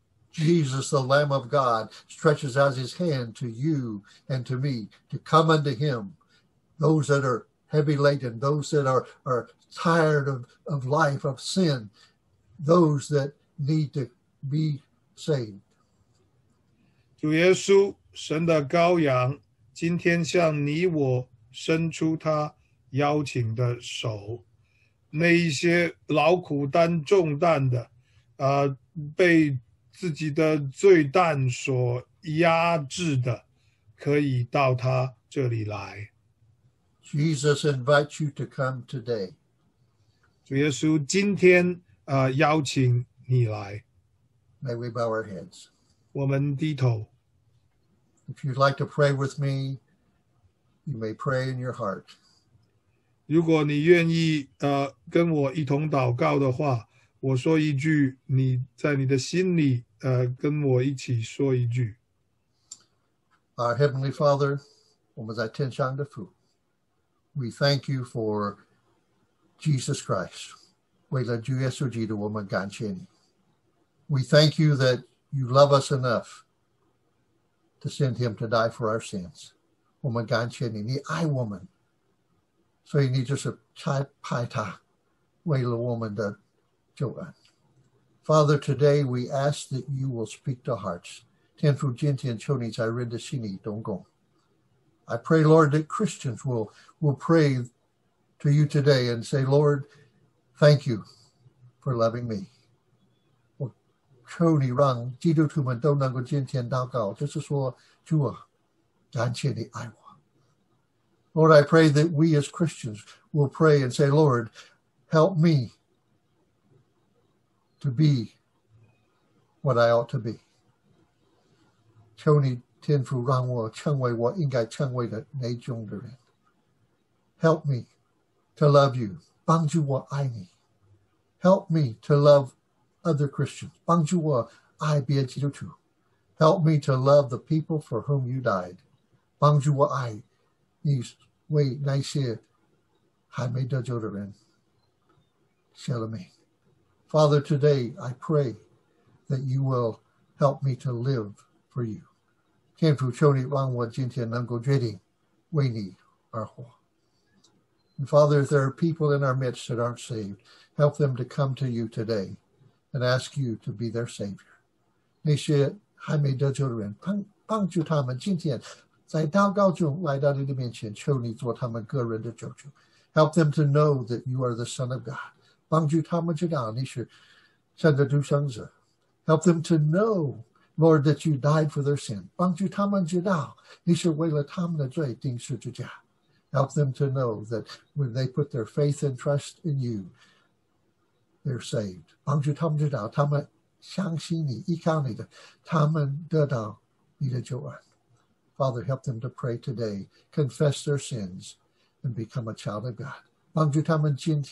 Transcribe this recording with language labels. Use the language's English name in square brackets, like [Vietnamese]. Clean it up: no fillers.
[English] Jesus, the Lamb of God, stretches out his hand to you and to me to come unto him, those that are heavy laden, those that are tired of life, of sin, those that need to be saved. [Chinese] 主耶稣，神的羔羊，今天向你我伸出他邀请的手，那一些劳苦担重担的，被自己的罪担所压制的，可以到他这里来。 [English] Jesus invites you to come today. [Chinese] 主耶稣今天邀请你来。 [English] May we bow our heads. [Chinese] 我们低头。 [English] If you'd like to pray with me, you may pray in your heart. [Chinese] 如果你愿意跟我一同祷告的话，我说一句，你在你的心里跟我一起说一句。 [English] Our Heavenly Father, [Chinese] 我们在天上的父， [English] We thank you for Jesus Christ. [Chinese] 为了主耶稣基督，我们感谢你。 [English] We thank you that you love us enough to send him to die for our sins. [Chinese] 我们感谢你，你爱我们，所以你就是差派他为了我们的救恩。 [English] Father, today we ask that you will speak to hearts. [Chinese] 天父今天求你在人的心里动工。 [English] I pray, Lord, that Christians will pray to you today and say, Lord, thank you for loving me. [Chinese] 我求你让基督徒们都能够今天祷告，就是说，主啊，感谢你爱我。 [English] Lord, I pray that we as Christians will pray and say, Lord, help me to be what I ought to be. [Chinese] 求你天父让我成为我应该成为的那种的人。 [English] Help me to love you. [Chinese] 帮助我爱你。 [English] Help me to love other Christians. [Chinese] 帮助我爱别基督徒。 [English] Help me to love the people for whom you died. [Chinese] 帮助我爱你为那些还没得救的人。 Shalomi. [English] Father, today I pray that you will help me to live for you. [Chinese] 天父求你让我今天能够决定为你而活。 [English] And Father, if there are people in our midst that aren't saved, help them to come to you today and ask you to be their Savior. [Chinese] 那些还没得救的人，帮助他们今天在祷告中来到你的面前，求你做他们个人的救主。 [English] Help them to know that you are the Son of God. [Chinese] 帮助他们知道你是神的独生子。 [English] Help them to know, Lord, that you died for their sin. [Chinese] 帮助他们知道你是为了他们的罪钉十字架。 [English] Help them to know that when they put their faith and trust in you, they're saved. [Chinese] 帮助他们知道他们相信你、依靠你的，他们得到你的救恩。 [English] Father, help them to pray today, confess their sins, and become a child of God.